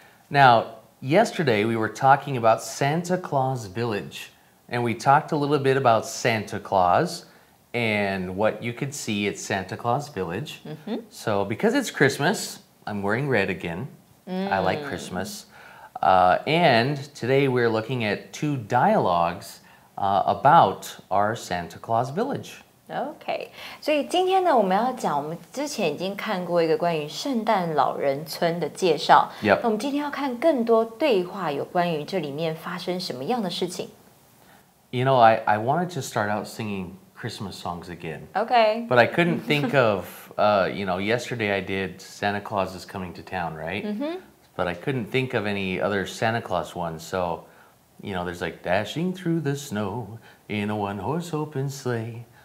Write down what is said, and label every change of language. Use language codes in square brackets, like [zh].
[en] Now, yesterday we were talking about Santa Claus Village, and we talked a little bit about Santa Claus and what you could see at Santa Claus Village. Mm-hmm. So because it's Christmas, I'm wearing red again. Mm. I like Christmas. And today we're looking at two dialogues about our Santa Claus Village. [zh] OK, 所以今天呢，我们要讲，我们之前已经看过一个关于圣诞老人村的介绍。 Yep. 那我们今天要看更多对话，有关于这里面发生什么样的事情。 [en] You know, I wanted to start out singing Christmas songs again. OK. But I couldn't think of, you know, yesterday I did Santa Claus is Coming to Town, right? Mm-hmm. But I couldn't think of any other Santa Claus ones. So, you know, there's like dashing through the snow in a one-horse open sleigh.